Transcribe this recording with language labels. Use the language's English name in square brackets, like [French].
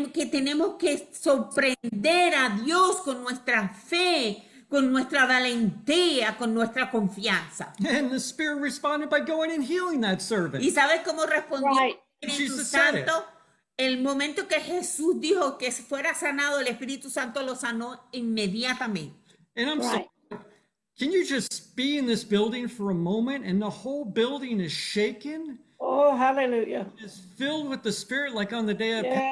[Spanish] Tenemos que sorprender a Dios con nuestra fe, con nuestra valentía, con nuestra confianza. [English] And the Spirit responded by going and healing that servant. [Spanish] ¿Y sabes cómo respondió [English] right. [Spanish] el Espíritu Santo? El momento que Jesús dijo que fuera sanado, el Espíritu Santo lo sanó inmediatamente. [English] And I'm right. Can you just be in this building for a moment and the whole building is shaken? Oh, hallelujah. It's filled with the Spirit like on the day of